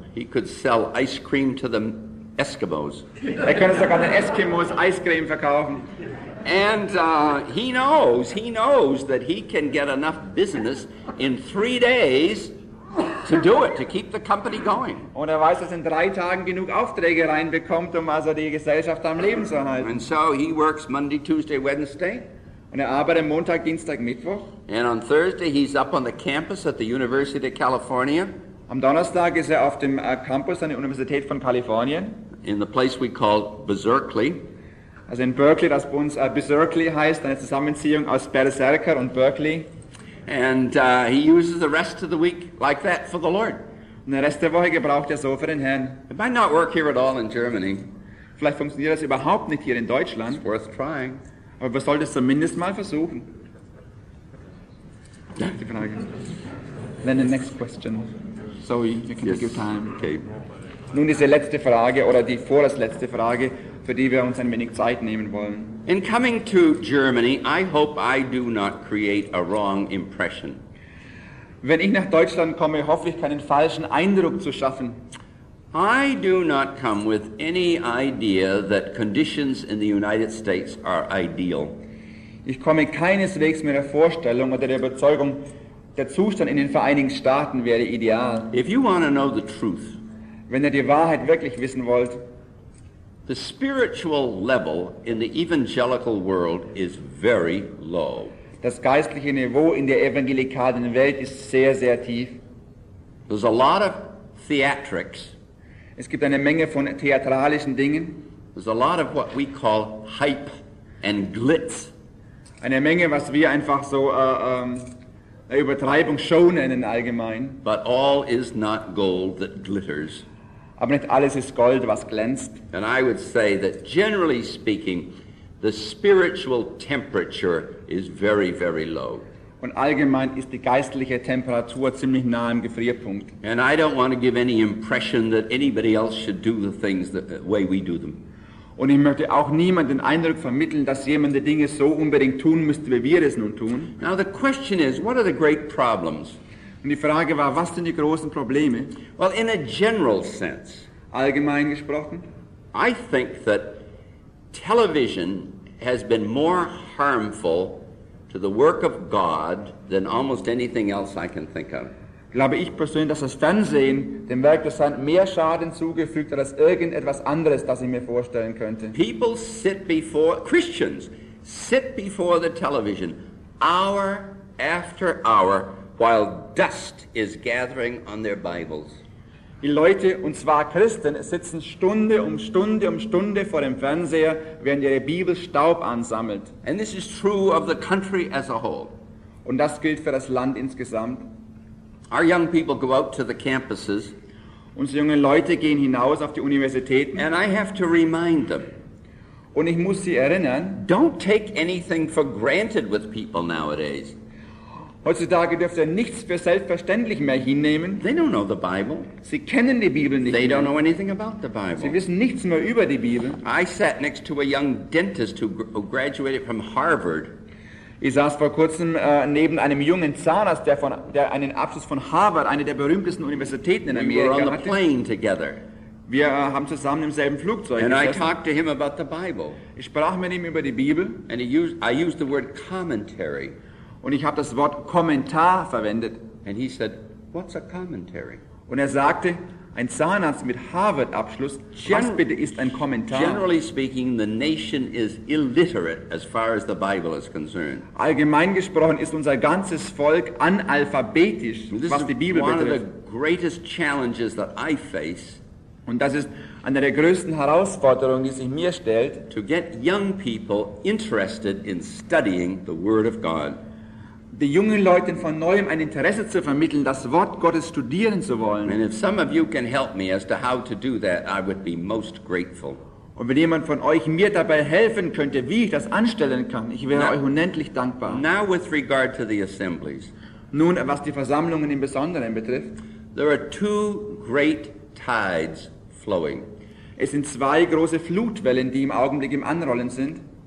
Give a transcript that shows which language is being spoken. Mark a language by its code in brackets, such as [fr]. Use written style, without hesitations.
[en] He could sell ice cream to the Eskimos. [de] Er könnte sogar den Eskimos Eiscreme verkaufen. [en] And he knows that he can get enough business in 3 days to do it, to keep the company going. [de] Und er weiß, dass in 3 Tagen genug Aufträge reinbekommt, um also die Gesellschaft am Leben zu halten. [en] And so he works Monday, Tuesday, Wednesday. [de] Und er arbeitet Montag, Dienstag, Mittwoch. [en] And on Thursday he's up on the campus at the University of California. [de] Am Donnerstag ist er auf dem Campus an der Universität von Kalifornien. [en] In the place we call Berserkly. [de] Also in Berkeley, das bei uns Berserkly heißt, eine Zusammenziehung aus Berserker und Berkeley. [en] And he uses the rest of the week like that for the Lord. [de] Und den Rest der Woche gebraucht er so für den Herrn. [en] It might not work here at all in Germany. [de] Vielleicht funktioniert das überhaupt nicht hier in Deutschland. [en] It's worth trying. [de] Aber wir sollten es zumindest mal versuchen. Danke für die Frage. [en] Then the next question. Zoe, you can take your time. Okay. [de] Nun diese letzte Frage oder die vorletzte Frage, für die wir uns ein wenig Zeit nehmen wollen. [en] In coming to Germany, I hope I do not create a wrong impression. [de] Wenn ich nach Deutschland komme, hoffe ich, keinen falschen Eindruck zu schaffen. [en] I do not come with any idea that conditions in the United States are ideal. [de] Ich komme keineswegs mit der Vorstellung oder der Überzeugung, der Zustand in den Vereinigten Staaten wäre ideal. [en] If you want to know the truth, [de] wenn ihr die Wahrheit wirklich wissen wollt, [en] the spiritual level in the evangelical world is very low. [de] Das geistliche Niveau in der evangelikalen Welt ist sehr, sehr tief. [en] There's a lot of theatrics. [de] Es gibt eine Menge von theatralischen Dingen. [en] There's a lot of what we call hype and glitz. [de] Eine Menge, was wir einfach so eine Übertreibung, Show nennen allgemein. [en] But all is not gold that glitters. [de] Aber nicht alles ist Gold, was glänzt. [en] And I would say that generally speaking, the spiritual temperature is very, very low. [de] Und allgemein ist die geistliche Temperatur ziemlich nah am Gefrierpunkt. [en] And I don't want to give any impression that anybody else should do the things the way we do them. [de] Und ich möchte auch niemandem den Eindruck vermitteln, dass jemand die Dinge so unbedingt tun müsste, wie wir es nun tun. [en] Now the question is, what are the great problems? [de] Und die Frage war, was sind die großen Probleme? [en] Well, in a general sense, [de] allgemein gesprochen, [en] I think that television has been more harmful to the work of God than almost anything else I can think of. [de] Glaube ich persönlich, dass das Fernsehen dem Werk des Herrn mehr Schaden zugefügt hat als irgendetwas anderes, das ich mir vorstellen könnte. [en] People sit before, Christians sit before the television hour after hour while dust is gathering on their Bibles. [de] Die Leute, und zwar Christen, sitzen Stunde um Stunde um Stunde vor dem Fernseher, während ihre Bibel Staub ansammelt. [en] And this is true of the country as a whole. [de] Und das gilt für das Land insgesamt. [en] Our young people go out to the campuses. [de] Unsere jungen Leute gehen hinaus auf die Universitäten. [en] And I have to remind them. [de] Und ich muss sie erinnern. [en] Don't take anything for granted with people nowadays. [de] Heutzutage dürft ihr nichts für selbstverständlich mehr hinnehmen. [en] They don't know the Bible. [de] Sie kennen die Bibel nicht. [en] They don't know anything about the Bible. [de] Sie wissen nichts mehr über die Bibel. [en] I sat next to a young dentist who graduated from Harvard. [de] Ich saß vor kurzem neben einem jungen Zahnarzt, der einen Abschluss von Harvard, eine der berühmtesten Universitäten in Amerika, [en] we [de] hatte. [en] Plane together. [de] Wir haben zusammen im selben Flugzeug [en] and [de] gesessen. [en] I talked to him about the Bible. [de] Ich sprach mit ihm über die Bibel. [en] And I used the word commentary. [de] Und ich habe das Wort Kommentar verwendet. [en] And he said, what's a commentary? [de] Und er sagte, Ein Zahnarzt mit Harvard-Abschluss, was bitte ist ein Kommentar? [en] Generally speaking, the nation is illiterate as far as the Bible is concerned. [de] Allgemein gesprochen ist unser ganzes Volk analphabetisch, was die Bibel betrifft. [en] One of the greatest challenges that I face. [de] Und das ist eine der größten Herausforderungen, die sich mir stellt. [en] To get young people interested in studying the Word of God. [de] Die jungen Leute von neuem ein Interesse zu vermitteln, das Wort Gottes studieren zu wollen. [en] And if some of you can help me as to how to do that, I would be most grateful. [de] Und wenn jemand von euch mir dabei helfen könnte, wie ich das anstellen kann, ich wäre euch unendlich dankbar. [en] Now with regard to the assemblies. [de] Nun, was die Versammlungen im Besonderen betrifft. [en] There are two great tides flowing. [de] Es sind zwei große Flutwellen, die im Augenblick im Anrollen sind.